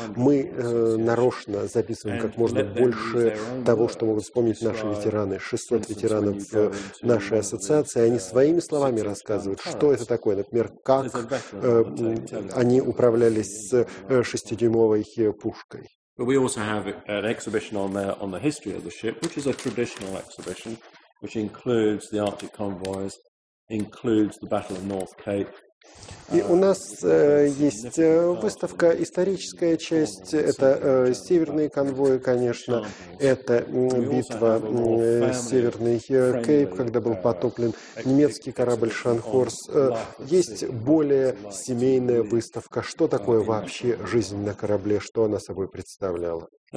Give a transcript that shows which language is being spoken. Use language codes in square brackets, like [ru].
[ru] Мы нарочно записываем как можно больше того, что могут вспомнить наши ветераны, 600 ветеранов нашей ассоциации, они своими словами рассказывают, что это такое, например, как они управлялись с 6-дюймовой пушкой. [en] But we also have an exhibition on the history of the ship, which is a traditional exhibition, which includes the Arctic convoys, includes the Battle of North Cape. [ru] И у нас есть выставка, историческая часть, это северные конвои, конечно, это битва Северный Кейп, когда был потоплен немецкий корабль «Шанхорс». Есть более семейная выставка, что такое вообще жизнь на корабле, что она собой представляла.